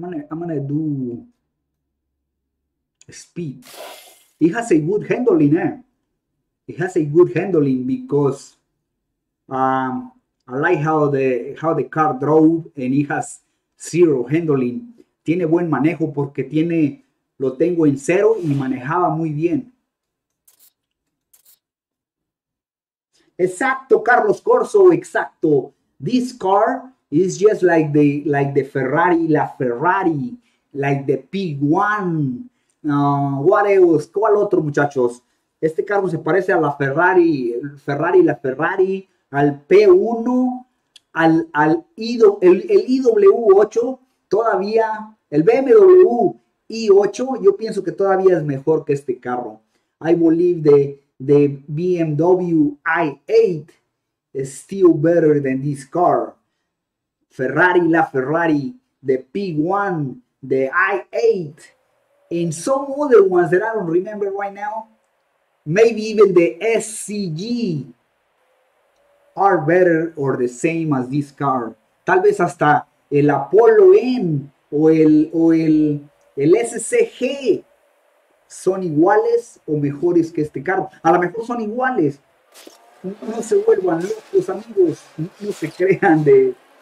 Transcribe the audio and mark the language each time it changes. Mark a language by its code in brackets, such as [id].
[en] I'm gonna do speed. It has a good handling, eh? It has a good handling because I like how the car drove and it has zero handling. [es] Tiene buen manejo porque tiene, lo tengo en cero y manejaba muy bien. Exacto, Carlos Corso, exacto. [en] This car is just like the Ferrari, la Ferrari, like the P1. What else? [es] ¿Cuál otro, muchachos? Este carro se parece a la Ferrari, Ferrari, la Ferrari, al P1, el IW8, todavía, el BMW i8, yo pienso que todavía es mejor que este carro. [en] I believe the BMW i8 is still better than this car. Ferrari, la Ferrari, the P1, the i8. In some other ones that I don't remember right now, maybe even the SCG are better or the same as this car. [es] Tal vez hasta el Apollo M o el SCG son iguales o mejores que este carro. A lo mejor son iguales. No se vuelvan locos, amigos. No se crean de.